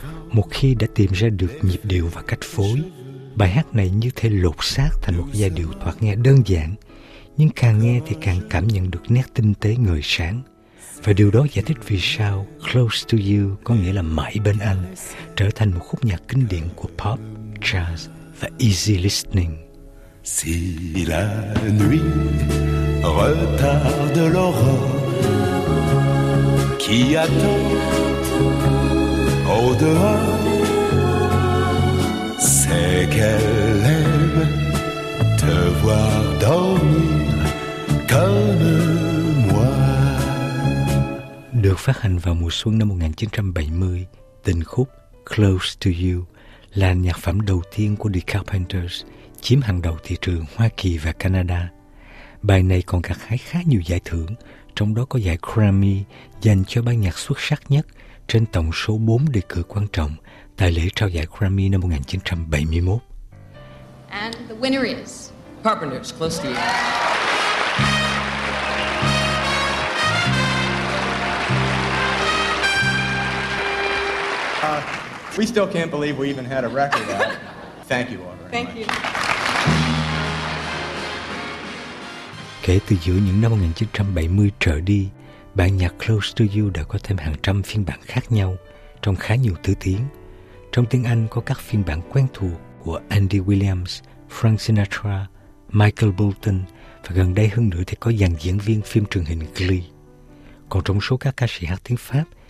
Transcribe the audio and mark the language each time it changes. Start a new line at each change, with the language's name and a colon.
Vietnamese: Một khi đã tìm ra được nhịp điệu và cách phối, bài hát này như thể lột xác thành một giai điệu thoạt nghe đơn giản, nhưng càng nghe thì càng cảm nhận được nét tinh tế ngời sáng. Và điều đó giải thích vì sao Close to You có nghĩa là mãi bên anh trở thành một khúc nhạc kinh điển của pop, jazz và easy listening.
French: Si la nuit retarde l'aurore qui attend au dehors, c'est qu'elle aime te voir dormir comme moi.
Vietnamese: Được phát hành vào mùa xuân năm 1970, tình khúc Close to You là nhạc phẩm đầu tiên của The Carpenters chiếm hàng đầu thị trường Hoa Kỳ và Canada. Bài này còn gặt hái khá nhiều giải thưởng, trong đó có giải Grammy dành cho ban nhạc xuất sắc nhất trên tổng số 4 đề cử quan trọng tại lễ trao giải Grammy năm 1971.
English: And the winner is Carpenters, Close to You. We still can't believe we even had a record out. Thank you, Audrey. Thank you.
Vietnamese: Kể từ giữa những năm 1970 trở đi, bản nhạc Close to You đã có thêm hàng trăm phiên bản khác nhau trong khá nhiều thứ tiếng. Trong tiếng Anh có các phiên bản quen thuộc của Andy Williams, Frank Sinatra, Michael Bolton và gần đây hơn nữa thì có dàn diễn viên phim truyền hình Glee. Còn trong số các ca sĩ hát tiếng Pháp,